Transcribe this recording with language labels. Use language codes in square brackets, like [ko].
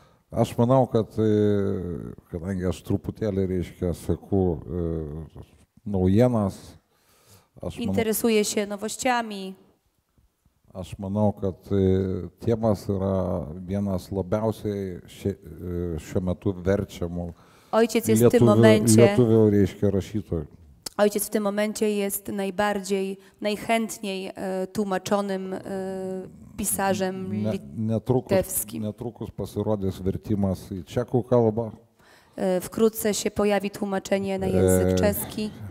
[lt] Aš manau, kad kadangi aš truputėlį, reiškia, seku naujienas, [pl] interesuje się nowościami. [lt] Aš manau, kad tėmas yra vienas labiausiai šiuo metu verčiamų lietuvių, reiškia, rašytojų. [pl] Ojciec w tym momencie jest najbardziej, najchętniej tłumaczonym pisarzem litewskim. [lt] Netrukus pasirodys vertimas į čekų kalbą. [pl] Wkrótce się pojawi tłumaczenie na język czeski.